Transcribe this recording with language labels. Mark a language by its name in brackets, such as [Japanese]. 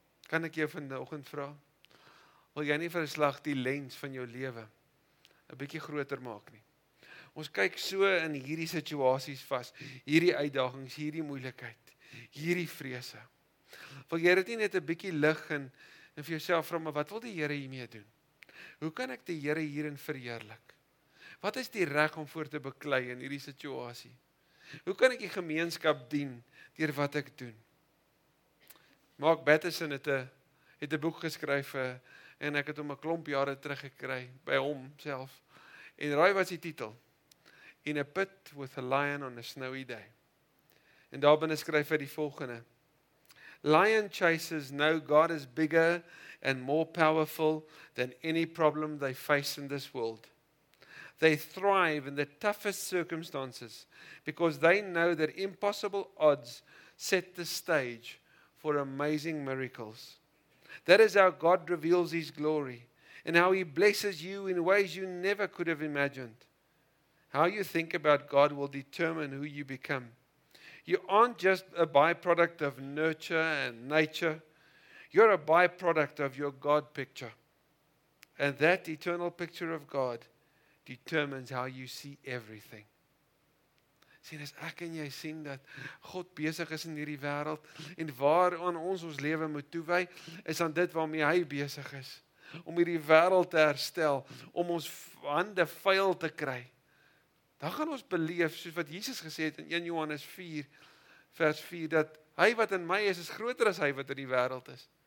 [Afrikaans] Kan ek jou vanoggend vra? Wil jy nie vir 'n slag die lens van jou lewe 'n bietjie groter maak nie? Ons kyk so in hierdie situasies vas, hierdie uitdagings, hierdie moeilikheid, hierdie vrese. Wil jy dit nie net 'n bietjie lig en vir jouself vra, maar wat wil die Here hiermee doen? Hoe kan ek die Here hierin verheerlik? Wat is die reg om voor te beklei in hierdie situasie? Hoe kan ek die gemeenskap dien deur wat ek doen? Mark Batterson het 'n boek geskryf en ek het hom 'n klomp jare terug gekry by hom self. En raai wat die titel? [English] In a Pit with a Lion on a Snowy Day. [Afrikaans] En daarin skryf hy die volgende. [English] Lion chasers know God is bigger and more powerful than any problem they face in this world. They thrive in the toughest circumstances because they know that impossible odds set the stage for amazing miracles. That is how God reveals His glory and how He blesses you in ways you never could have imagined. How you think about God will determine who you become. You aren't just a byproduct of nurture and nature. You're a byproduct of your God picture. And that eternal picture of God determines how you see everything. [Afrikaans] Sien, as ek en jy sien dat God besig is in hierdie wêreld en waaraan ons lewe moet toewy, is aan dit waarmee hy besig is. Om hierdie wêreld te herstel, om ons hande vuil te kry. Dan gaan ons beleef, soos wat Jesus gesê het in 1 Johannes 4, vers 4, dat hy wat in my is, is groter as hy wat in die wêreld is.